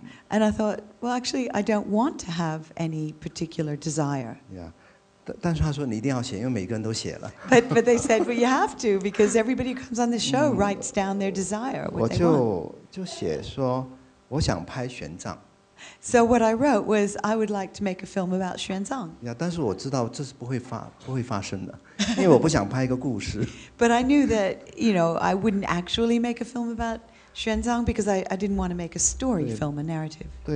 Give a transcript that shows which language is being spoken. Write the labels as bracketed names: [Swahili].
[English] And I thought, well, actually, I don't want to have any particular desire. Yeah. [Chinese] 但是他说你一定要写，因为每个人都写了。 [English] But they said, well, you have to, because everybody who comes on the show writes down their desire, what they want. [Chinese] 我就写说，我想拍玄奘。 [English] So what I wrote was, I would like to make a film about Xuanzang. Yeah, [Chinese] 但是我知道这是不会发生的，因为我不想拍一个故事。 [English] But I knew that, you know, I wouldn't actually make a film about Xuanzang because I didn't want to make a story film, a narrative.